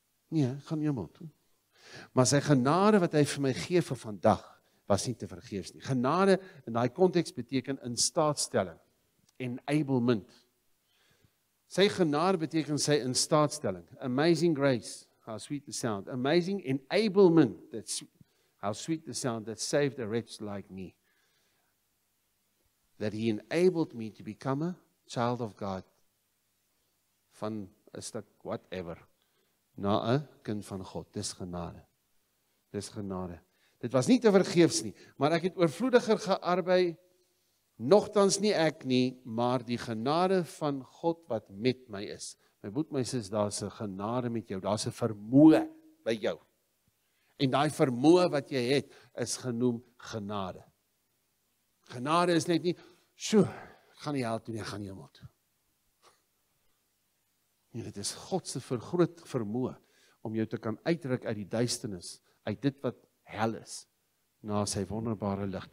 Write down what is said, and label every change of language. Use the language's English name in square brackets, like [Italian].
[Afrikaans] Nee, ek gaan iemand toe. Maar sy genade wat hy vir my gee vir vandag, was nie te vergeefs nie. Genade in die context beteken in staatstelling, enablement. Sy genade beteken sy in staatstelling. [English] Amazing grace, how sweet the sound. Amazing enablement, how sweet the sound that saved a wretch like me. That he enabled me to become a child of God, [Afrikaans] van een stuk whatever, na een kind van God. Dis genade. Dis genade. Dit was nie te vergeefs nie, maar ek het oorvloediger gearbei, Nochtans nie ek nie, maar die genade van God wat met my is. My boet, my sis, daar is een genade met jou, daar is een vermoe by jou. En die vermoe wat jy het, is genoem genade. Genade is net nie, sjoe, ga nie hel toe, nie, ga nie hemel toe. Nee, dit is Godse vergroot vermoe, om jou te kan uitdruk uit die duisternis, uit dit wat hel is, na sy wonderbare licht.